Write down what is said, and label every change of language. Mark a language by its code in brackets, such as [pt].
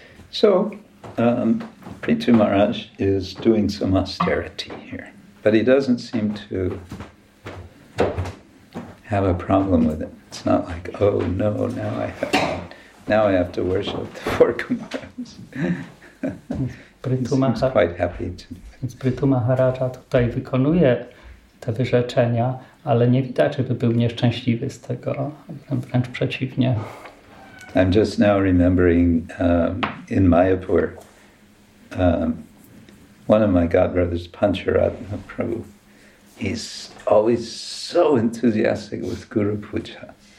[en] So, Prithvi Maharaj is doing some austerity here, but he doesn't seem to have a problem with it. It's not like, oh no, now I have to worship the four kumaras. [pl] Prithvi Maharaj tutaj wykonuje te wyrzeczenia, ale nie widać, żeby był nieszczęśliwy z tego, wręcz przeciwnie. [en] I'm just now remembering in Mayapur, one of my godbrothers, Pancharatna Prabhu, he's always so enthusiastic with Guru Puja.